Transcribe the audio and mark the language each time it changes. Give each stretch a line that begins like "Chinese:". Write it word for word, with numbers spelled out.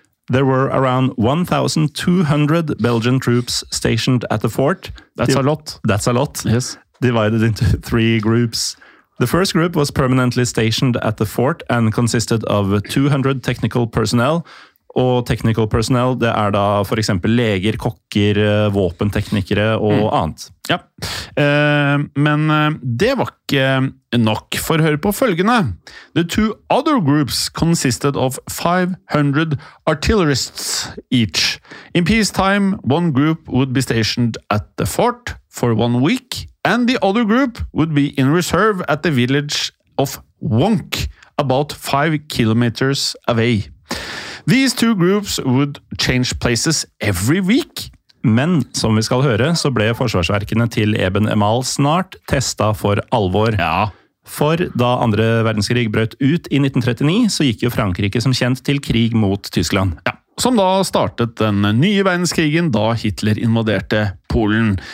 English: There were around one thousand two hundred Belgian troops stationed at the fort. That's a lot. That's a lot. Yes. Divided into three groups. The first group was permanently stationed at the fort and consisted of two hundred technical personnel.
Norwegian: Og technical personnel, det er da for eksempel leger, kokker, våpenteknikere og mm. annet. Ja, eh, men det var ikke nok, for hør på følgende.
English: The two other groups consisted of five hundred artillerists each. In peacetime, one group would be stationed at the fort for one week, and the other group would be in reserve at the village of Wonk, about five kilometers away. These two groups would change places every week.
Norwegian: Men, som vi skal høre, så ble forsvarsverkene til eben-emal snart testet for alvor. Ja. For da andre verdenskrig brøt ut i nitten trettini, så gikk jo Frankrike som kjent til krig mot Tyskland. Ja. Som da startet den nye verdenskrigen da Hitler invaderte Polen.